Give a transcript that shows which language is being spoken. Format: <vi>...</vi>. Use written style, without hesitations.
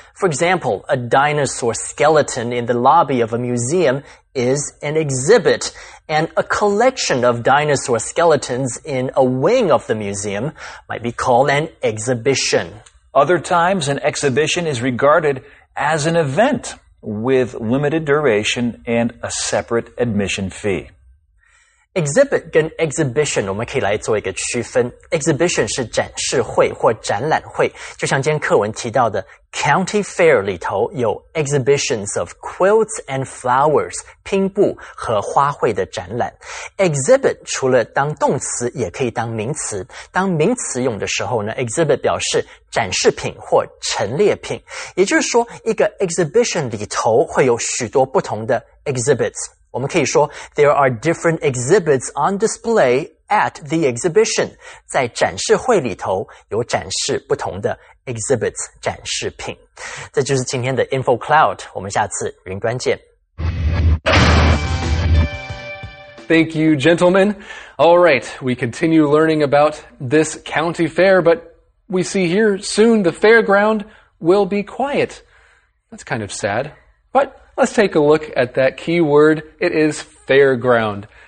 <en>For example, a dinosaur skeleton in the lobby of a museum is an exhibit, and a collection of dinosaur skeletons in a wing of the museum might be called an exhibition. Other times, an exhibition is regarded as an event with limited duration and a separate admission fee.</en> <zh>Exhibit 跟 exhibition 我们可以来做一个区分。Exhibition 是展示会或展览会。就像今天课文提到的 County Fair 里头有</zh> <en>exhibitions of quilts and flowers,</en> <zh>拼布和花卉的展览。 Exhibit 除了当动词也可以当名词。当名词用的时候呢 ,exhibit 表示展示品或陈列品。也就是说一个 exhibition 里头会有许多不同的 exhibits。我们可以说</zh> <en>there are different exhibits on display at the exhibition.</en> <zh>在展示会里头有展示不同的 exhibits 展示品。这就是今天的 Info Cloud, 我们下次云端见。</zh> <en>Thank you, gentlemen. All right, we continue learning about this county fair, but we see here soon the fairground will be quiet. That's kind of sad. But let's take a look at that key word. It is fairground.</en>